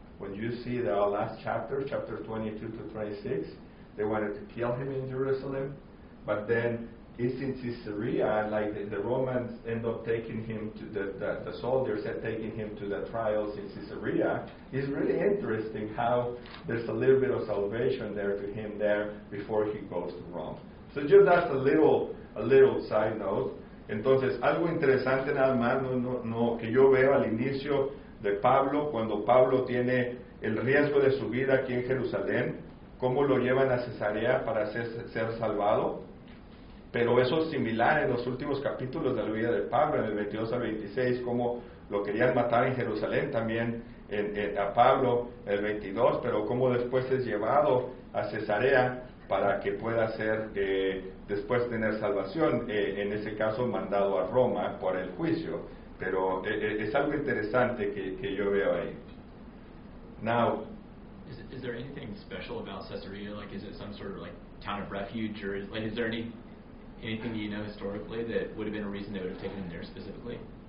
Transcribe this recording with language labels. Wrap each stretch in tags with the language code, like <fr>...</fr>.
<en>When you see the last chapter, chapter 22 to 26, they wanted to kill him in Jerusalem, but then it's in Caesarea, like the Romans end up taking him to the soldiers are taking him to the trials in Caesarea. It's really interesting how there's a little bit of salvation there to him there before he goes to Rome. So just that's a little side note.</en> <es>Entonces, algo interesante nada más no que yo veo al inicio de Pablo, cuando Pablo tiene el riesgo de su vida aquí en Jerusalén, cómo lo llevan a Cesarea para ser salvado. Pero eso es similar en los últimos capítulos de la vida de Pablo, en el 22 al 26, cómo lo querían matar en Jerusalén también a Pablo, el 22, pero cómo después es llevado a Cesarea para que pueda ser, después tener salvación, en ese caso mandado a Roma por el juicio. Pero es algo interesante que yo veo ahí.</es> <en>Now, is there anything special about Caesarea? Like, is it some sort of like town of refuge, or like, is there anything you know historically that would have been a reason they would have taken him there specifically?</en>